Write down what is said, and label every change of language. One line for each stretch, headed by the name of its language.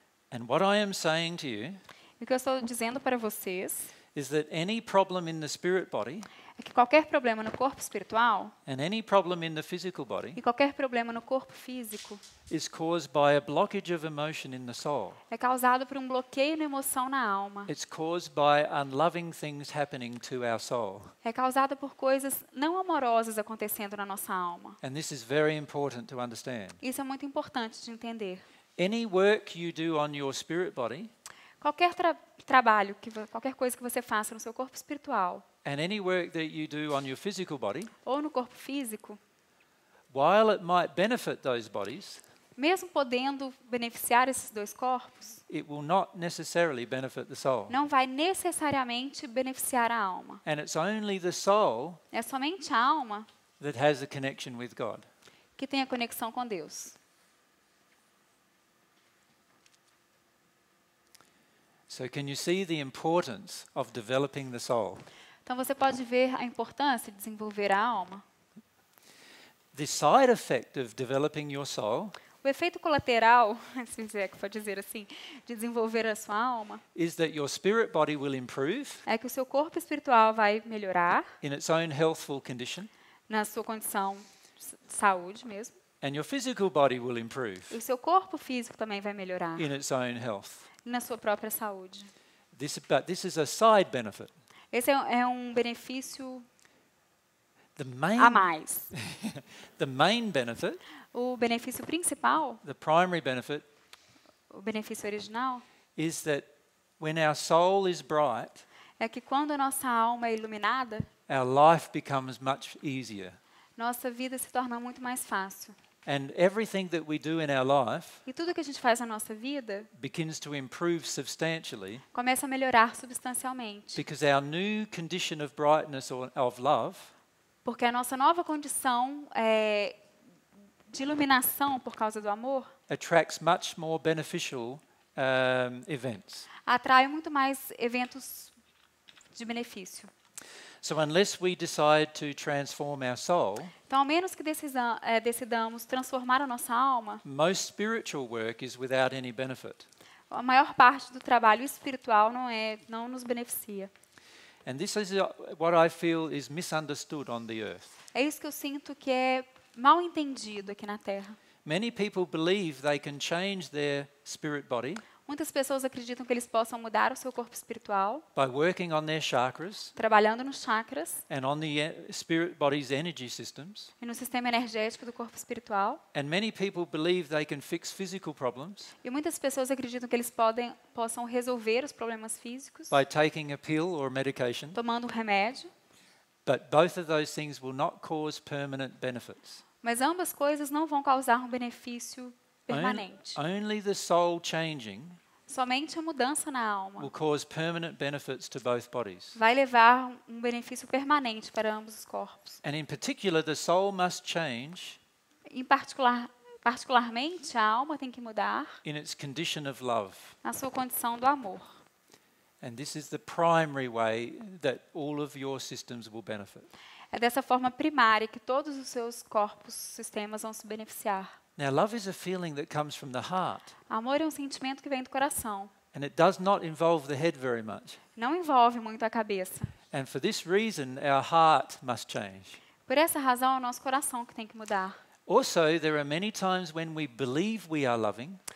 English: And what I am saying to you,
Portuguese: o que eu estou dizendo para vocês,
English: is that any problem in the spirit body,
Portuguese: é que qualquer problema no corpo espiritual,
English: and any problem in the physical body,
Portuguese: e qualquer problema no corpo físico,
English: is caused by a blockage of emotion in the soul,
Portuguese: é causado por um bloqueio na emoção na alma,
English: it's caused by unloving things happening to our soul,
Portuguese: é causado por coisas não amorosas acontecendo na nossa alma,
English: and this is very important to understand,
Portuguese: isso é muito importante de entender.
English: Any work you do on your spirit body,
Portuguese: qualquer trabalho, qualquer coisa que você faça no seu corpo espiritual,
English: and any work that you do on your physical body,
Portuguese: ou no corpo físico,
English: while it might benefit those bodies,
Portuguese: mesmo podendo beneficiar esses dois corpos,
English: it will not necessarily benefit the soul.
Portuguese: Não vai necessariamente beneficiar a alma.
English: And it's only the soul,
Portuguese: é somente a alma,
English: that has a connection with God,
Portuguese: que tem a conexão com Deus.
English: So can you see the importance of developing the soul?
Portuguese: Então você pode ver a importância de desenvolver a alma.
English: The side effect of developing your soul,
Portuguese: o efeito colateral, se é que pode dizer assim, de desenvolver a sua alma,
English: is that your spirit body will improve,
Portuguese: é que o seu corpo espiritual vai melhorar,
English: in its own healthful condition,
Portuguese: na sua condição de saúde mesmo,
English: and your physical body will improve,
Portuguese: e o seu corpo físico também vai melhorar,
English: in its own health,
Portuguese: na sua própria saúde.
English: This is a side benefit.
Portuguese: Esse é um benefício a mais.
English: The main benefit,
Portuguese: o benefício principal,
English: the primary benefit,
Portuguese: o benefício original,
English: is that when our soul is bright,
Portuguese: é que quando a nossa alma é iluminada,
English: our life becomes much easier.
Portuguese: Nossa vida se torna muito mais fácil.
English: And everything that we do in our life,
Portuguese: e tudo que a gente faz na nossa vida,
English: begins to improve substantially,
Portuguese: começa a melhorar substancialmente,
English: because our new condition of brightness or of love,
Portuguese: porque a nossa nova condição de iluminação por causa do amor,
English: attracts much more beneficial events,
Portuguese: atrai muito mais eventos de benefício.
English: So unless we decide to transform our soul,
Portuguese: então, ao menos que decidamos transformar a nossa alma,
English: most spiritual work is without any benefit.
Portuguese: A maior parte do trabalho espiritual não nos beneficia.
English: And this is what I feel is misunderstood on the earth.
Portuguese: É isso que eu sinto que é mal entendido aqui na Terra.
English: Many people believe they can change their spirit body.
Portuguese: Muitas pessoas acreditam que eles possam mudar o seu corpo espiritual
English: by working on their chakras,
Portuguese: trabalhando nos chakras,
English: and on the spirit body's energy systems,
Portuguese: e no sistema energético do corpo espiritual,
English: and many people believe they can fix physical problems,
Portuguese: e muitas pessoas acreditam que eles possam resolver os problemas físicos
English: by taking a pill or medication,
Portuguese: tomando um remédio,
English: but both of those things will not cause permanent benefits.
Portuguese: Mas ambas coisas não vão causar um benefício
English: Only the soul changing,
Portuguese: somente a mudança na alma,
English: will cause permanent benefits to both bodies.
Portuguese: Vai levar um benefício permanente para ambos os corpos.
English: And in particular, the soul must change.
Portuguese: Em particular, particularmente, a alma tem que mudar.
English: In its condition of love.
Portuguese: Na sua condição do amor.
English: And this is the primary way that all of your systems will benefit.
Portuguese: É dessa forma primária que todos os seus corpos, sistemas vão se beneficiar.
English: Now, love is a feeling that comes from the heart.
Portuguese: Amor é um sentimento que vem do coração.
English: And it does not involve the head very much.
Portuguese: Não envolve muito a cabeça.
English: And for this reason, our heart must change.
Portuguese: Por essa razão, é o nosso coração que tem que mudar.
English: Also, there are many times when we believe we are loving.